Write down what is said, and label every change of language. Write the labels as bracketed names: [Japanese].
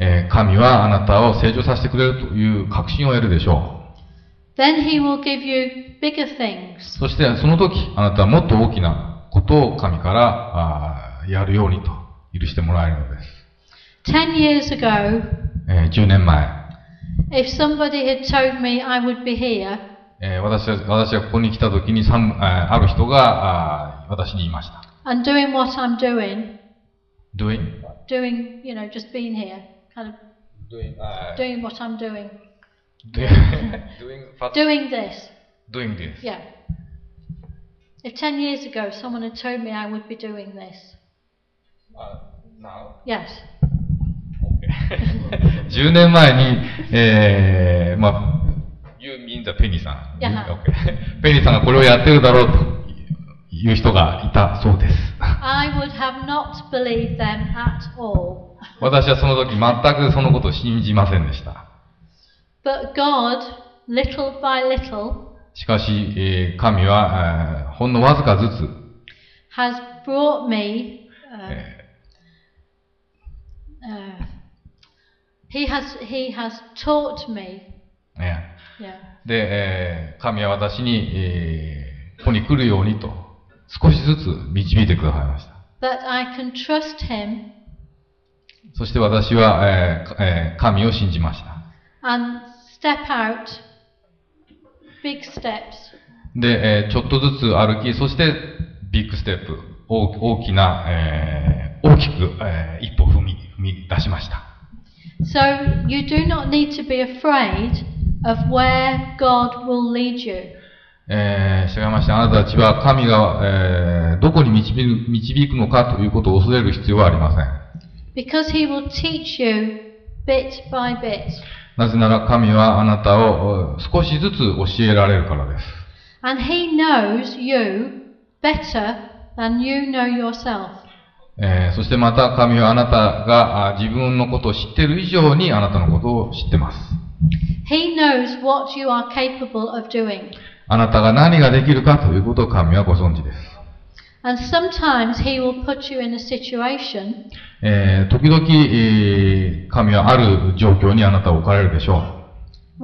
[Japanese] 神はあなたを成長させてくれるという確信を得るでしょう。 [English] Then he will give you bigger things. [Japanese] そしてそのとき、あなたはもっと大きなことを神からやるようにと。許してもらえるのです。 [English] 10 years ago, [Japanese] 10年前、 [English] if somebody had told me I would be here, [Japanese] 私はここに来た時にある人が私に言いました。 [English] And doing what I'm doing, doing, doing, you know, just being here, kind of doing, doing what I'm doing, doing, doing this, doing this, yeah. If 10 years ago someone had told me I would be doing this. Now. Yes. [Japanese] Okay. 10年前に、まあ、 [English] You mean the Penny さん。 Yeah. Okay. [Japanese] Penny さんがこれをやってるだろうという人がいたそうです。 [English] I would have not believed them at all. [Japanese] 私はその時全くそのことを信じませんでした。 [English] But God, little by little, [Japanese] しかし、神は、ほんのわずかずつ、 [English] has brought me, He has taught me. Yeah. Yeah. [Japanese] で、神は私に、ここに来るようにと少しずつ導いてくださいました。 [English] But I can trust him. [Japanese] そして私は、神を信じました。 [English] And step out big steps. [Japanese] で、ちょっとずつ歩き、そしてビッグステップ、大きな、大きく、一歩踏み出しました。 [English] So you do not need to be afraid of where God will lead you. [Japanese] しかし、あなたたちは神が、どこに導くのかということを恐れる必要はありません。 [English] Because he will teach you bit by bit. [Japanese] なぜなら神はあなたを少しずつ教えられるからです。 [English] And he knows you better than you know yourself. [Japanese] そしてまた神はあなたが自分のことを知っている以上にあなたのことを知ってます。 [English] He knows what you are capable of doing. [Japanese] あなたが何ができるかということを神はご存知です。 [English] And sometimes he will put you in a situation. [Japanese] 時々、神はある状況にあなたを置かれるでしょう。